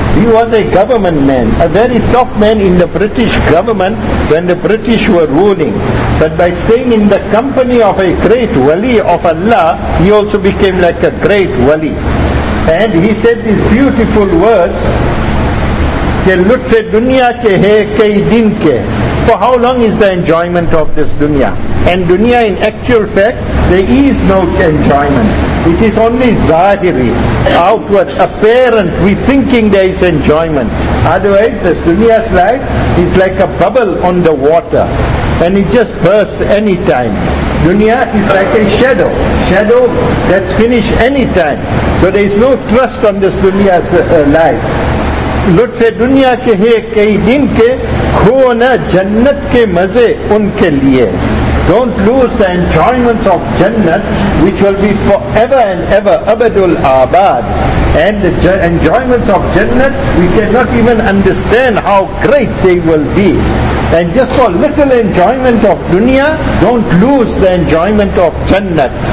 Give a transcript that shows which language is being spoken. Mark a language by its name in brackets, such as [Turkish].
[English] He was a government man, a very top man in the British government when the British were ruling. But by staying in the company of a great wali of Allah, he also became like a great wali. And he said these beautiful words, [Urdu] کہ لطف دنیا کے ہے کئی دن کے. [English] For how long is the enjoyment of this dunya? And dunya in actual fact, there is no enjoyment. It is only zahiri, outward, apparent. We thinking there is enjoyment. Otherwise, this dunya's life is like a bubble on the water. And it just bursts any time. Dunya is like a shadow. Shadow that's finished any time. So there is no trust on this dunya's life. [Urdu] لطف دنیا کے ہے کئی دن کے کھونا جنت کے مزے ان کے لیے. [English] Don't lose the enjoyments of Jannat, which will be forever and ever, abadul abad. And the enjoyments of Jannat, we cannot even understand how great they will be. And just for little enjoyment of dunya, don't lose the enjoyment of Jannat.